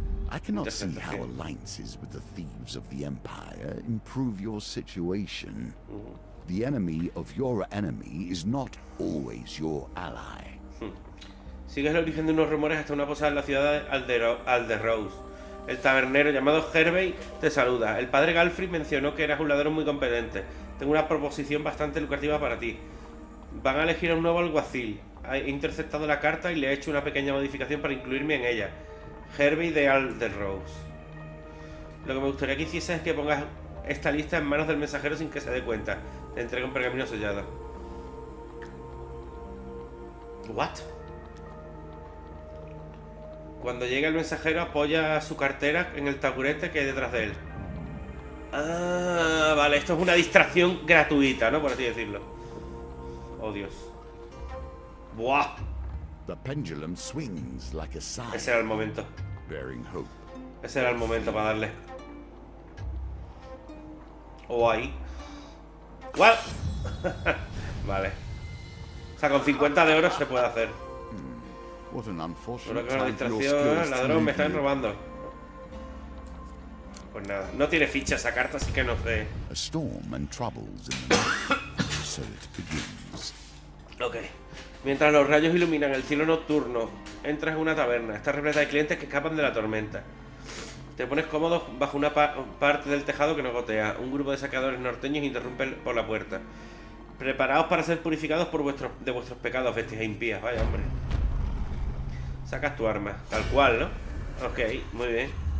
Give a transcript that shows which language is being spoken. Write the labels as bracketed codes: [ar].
[en] I cannot see how alliances with the thieves of the Empire improve your situation. The enemy of your enemy is not always your ally. [es] Sigues el origen de unos rumores hasta una posada en la ciudad de Alderrose. El tabernero llamado Hervey te saluda. El padre Galfrid mencionó que eras un ladrón muy competente. Tengo una proposición bastante lucrativa para ti. Van a elegir a un nuevo alguacil. He interceptado la carta y le he hecho una pequeña modificación para incluirme en ella. Hervey de Alderrose. Lo que me gustaría que hicieses es que pongas esta lista en manos del mensajero sin que se dé cuenta. Te entrego un pergamino sellado. [en] ¿What? [es] Cuando llegue el mensajero, apoya su cartera en el taburete que hay detrás de él. Ah, vale, esto es una distracción gratuita, ¿no? Por así decirlo. Oh, Dios. ¡Buah! [en] The pendulum swings like a sign. [es] Ese era el momento. [en] Bearing hope. [es] Ese era el momento para darle. O ahí. [en] ¿What? [es] Vale. O sea, con 50 de oro se puede hacer. [en] What an unfortunate. [es] Una gran distracción. Ladrón, me están robando. Pues nada. No tiene ficha esa carta, así que no sé. [en] A storm and troubles in the night. So it begins. Okay. [es] Mientras los rayos iluminan el cielo nocturno, entras en una taberna. Está repleta de clientes que escapan de la tormenta. Te pones cómodo bajo una parte del tejado que no gotea. Un grupo de saqueadores norteños interrumpe por la puerta. Preparaos para ser purificados por vuestros pecados, bestias impías. Vaya, hombre. Sacas tu arma. Tal cual, ¿no? Ok, muy bien.